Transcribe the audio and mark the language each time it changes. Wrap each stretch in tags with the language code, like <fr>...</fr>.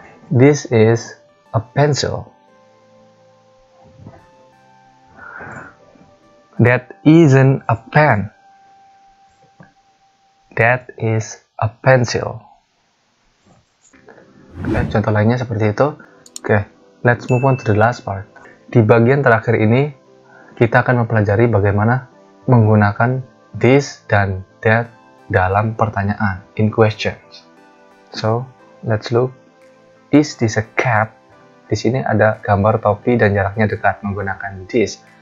<en>This is a pencil. That isn't a pen. That is a pencil.</en> <id>Okay, contoh lainnya seperti itu.</id> <en>Oke, okay, let's move on to the last part.</en> <id>Di bagian terakhir ini, kita akan mempelajari bagaimana menggunakan this dan that dalam pertanyaan,</id> <en>in questions. So, let's look. Is this a cap?</en> <id>Di sini ada gambar topi dan jaraknya dekat menggunakan this.</id>